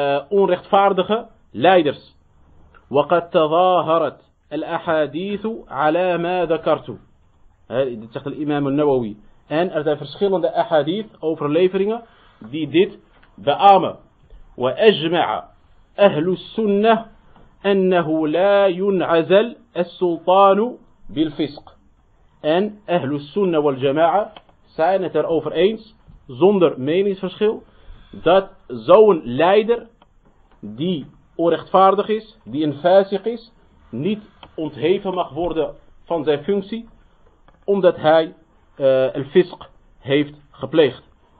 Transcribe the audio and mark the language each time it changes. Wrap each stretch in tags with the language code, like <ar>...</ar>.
<nl>onrechtvaardige leiders.</nl> <ar>وقد تظاهرت الأحاديث على ما ذكرت.</ar> <nl>Dit zegt al-Imam al-Nawawi. En er zijn verschillende ahadith, overleveringen, die dit beamen.</nl> <ar>وَأَجْمَعَ أَهْلُ السُّنَّةِ أَنَّهُ لَا يُنْعَزَلْ السُّلْطَانُ بِالْفِسْقِ.</ar> <nl>En</nl> <ar>أَهْلُ السُّنَّةِ وَالْجَمَاعَ</ar> <nl>zijn het erover eens, zonder meningsverschil, dat zo'n leider, die onrechtvaardig is, die een fasiq is, niet ontheven mag worden van zijn functie, omdat hij een fisq heeft gepleegd.</nl>